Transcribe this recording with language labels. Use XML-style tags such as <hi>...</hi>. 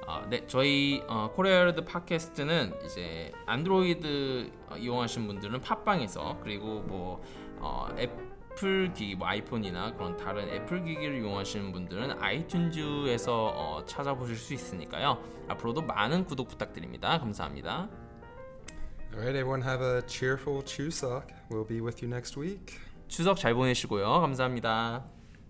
<ko>네, 저희 코리아르드 팟캐스트는 이제 안드로이드 이용하시는 분들은 팟빵에서 그리고 뭐 애플 기기, 뭐 아이폰이나 그런 다른 애플 기기를 이용하시는 분들은 아이튠즈에서 찾아보실 수 있으니까요. 앞으로도 많은 구독 부탁드립니다. 감사합니다.</ko> <en>Alright, everyone have a cheerful Chuseok. We'll be with you next week.</en> <ko>추석 잘 보내시고요. 감사합니다.</ko>